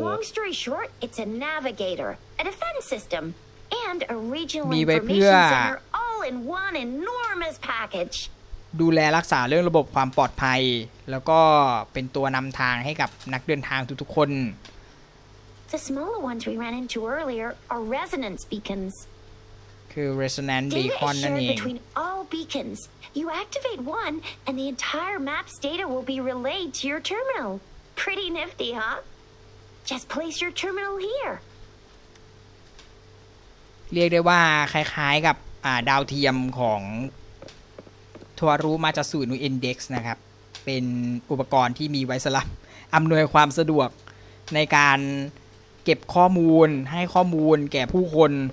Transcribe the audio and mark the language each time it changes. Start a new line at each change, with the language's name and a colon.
English: Long story short, it's a navigator, a defense system, and a regional information center all in one enormous
Thai: ดูแลรักษาเรื่องระบบความปลอดภัยแล้วก็เป็นตัวนำทางให้กับนักเดินทางทุกๆคน
English: The smaller ones we ran into earlier are resonance beacons
Thai: คือ resonance beacon นั่นเอง
English: Data is shared between all beacons You activate one and the entire map's data will be relayed to your terminal Pretty nifty, huh? Just place your terminal here
Thai: เรียกได้ว่าคล้ายๆกับดาวเทียมของทวารุมาจาสุนุอินเด็กซ์นะครับเป็นอุปกรณ์ที่มีไว้สำหรับอำนวยความสะดวกในการเก็บข้อมูลให้ข้อมูลแก่ผู้คน